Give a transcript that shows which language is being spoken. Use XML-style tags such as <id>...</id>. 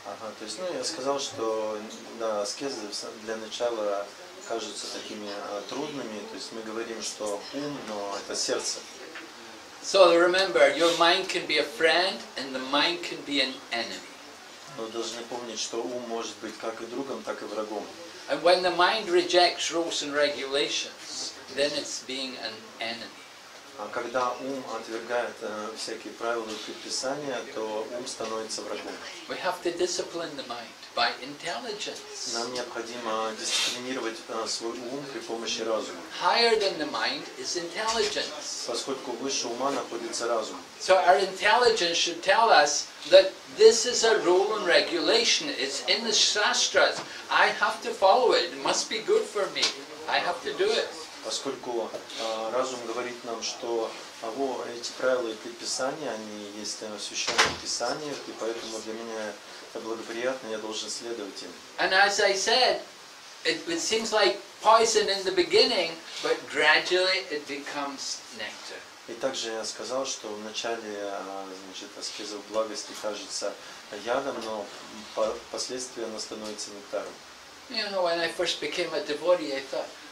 <ru>Ага, то есть, ну, я сказал, что да, аскезы для начала кажутся такими трудными. То есть, мы говорим, что ум, но это сердце.</ru> <en>So remember, your mind can be a friend, and the mind can be an enemy.</en> <ru>Но должны помнить, что ум может быть как и другом, так и врагом.</ru> <en>And when the mind rejects rules and regulations, then it's being an enemy.</en> <ru>А когда ум отвергает всякие правила и предписания, то ум становится врагом.</ru> <en>We have to discipline the mind by intelligence.</en> <ru>Нам необходимо дисциплинировать свой ум при помощи разума.</ru> <en>Higher than the mind is intelligence.</en> <ru>Поскольку выше ума находится разум.</ru> <en>So our intelligence should tell us that this is a rule and regulation. It's in the shastras. I have to follow it. It must be good for me. I have to do it.</en> <ru>Поскольку разум говорит нам, что эти правила и предписания, они есть в священных писаниях, и поэтому для меня это благоприятно, я должен следовать им.</ru> <en>And as I said, it seems like poison in the beginning, but gradually it becomes nectar.</en> <ru>И также я сказал, что в начале аскеза благости кажется ядом, но впоследствии она становится нектаром.</ru> <en>You know, when I first became a devotee, I thought,</en>